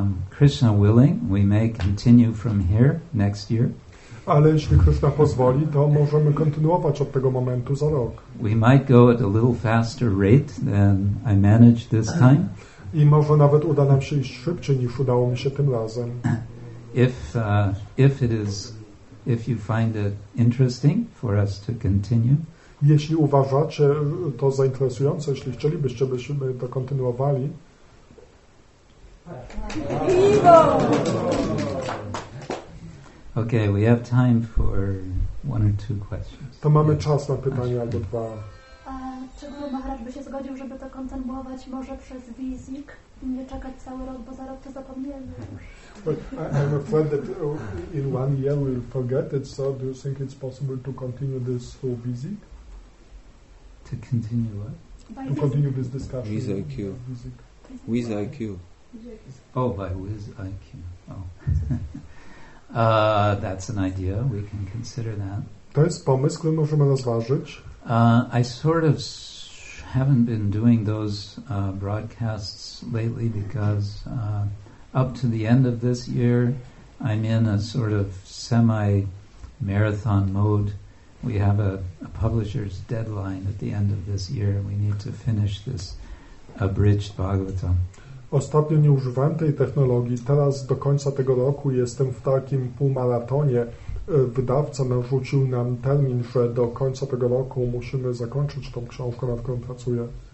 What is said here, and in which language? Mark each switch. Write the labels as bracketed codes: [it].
[en] Krishna willing, we may continue from here next year. [pl] Ale jeśli Krishna pozwoli, to możemy kontynuować od tego momentu za rok. [en] We might go at a little faster rate than I managed this time. [pl] I może nawet uda nam się iść szybciej niż udało mi się tym razem. [en] If you find it interesting for us to continue. [pl] Jeśli uważacie to za interesujące, jeśli chcielibyście, byśmy to kontynuowali. [en] Okay, we have time for one or two questions. [pl] To mamy czas na pytania albo dwa. Czy Guru Maharaj by się zgodził, żeby to kontynuować może przez Wizik i nie czekać cały rok, bo za rok to zapomnimy? [en] I'm afraid that in 1 year we'll forget it, so do you think it's possible to continue this through Wizik? To continue what? To continue this discussion. Wizik. Wizik. Oh, by Wiz IQ. Oh. that's an idea. We can consider that. [pl] To jest pomysł, który możemy rozważyć. [en] I sort of haven't been doing those broadcasts lately because up to the end of this year, I'm in a sort of semi-marathon mode. We have a publisher's deadline at the end of this year. We need to finish this abridged Bhagavatam. [pl] Ostatnio nie używałem tej technologii. Teraz do końca tego roku jestem w takim półmaratonie. Wydawca narzucił nam termin, że do końca tego roku musimy zakończyć tą książkę, nad którą pracuję.